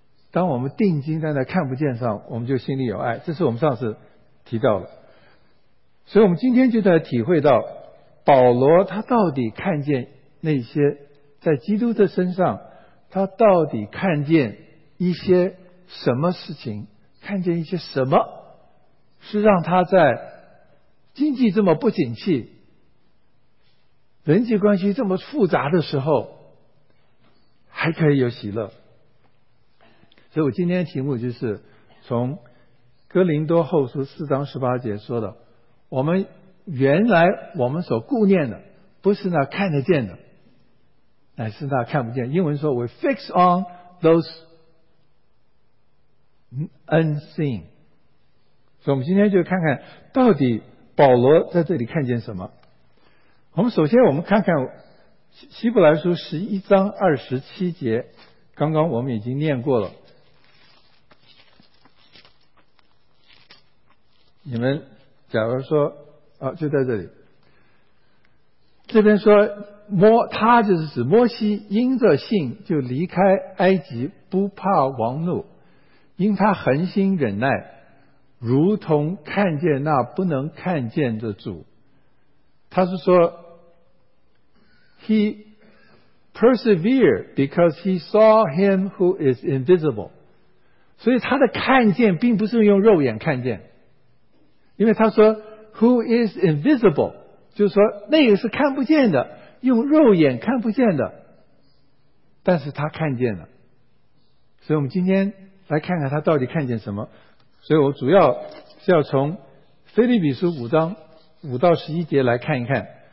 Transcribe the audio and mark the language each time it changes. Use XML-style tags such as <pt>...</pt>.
<zh>当我们定睛在那看不见上，我们就心里有爱。这是我们上次提到的，所以我们今天就在体会到保罗他到底看见那些在基督的身上，他到底看见一些什么事情，看见一些什么是让他在经济这么不景气、人际关系这么复杂的时候还可以有喜乐。所以我今天的题目就是从哥林多后书四章十八节说的，我们原来我们所顾念的不是那看得见的，乃是那看不见。英文说</zh> <en>We fix on those unseen。</en> <zh>所以我们今天就看看到底保罗在这里看见什么。我们首先我们看看希伯来书十一章二十七节，刚刚我们已经念过了。你们假如说啊，就在这里，这边说摩，他就是指摩西，因着信就离开埃及，不怕王怒，因他恒心忍耐，如同看见那不能看见的主。他是说</zh> <en>He persevered because he saw him who is invisible。</en> <zh>所以他的看见并不是用肉眼看见，因为他说</zh> <en>Who is invisible，</en> <zh>就是说那个是看不见的，用肉眼看不见的，但是他看见了。所以我们今天来看看他到底看见什么。所以我主要是要从腓立比书五章五到十一节来看一看。</zh>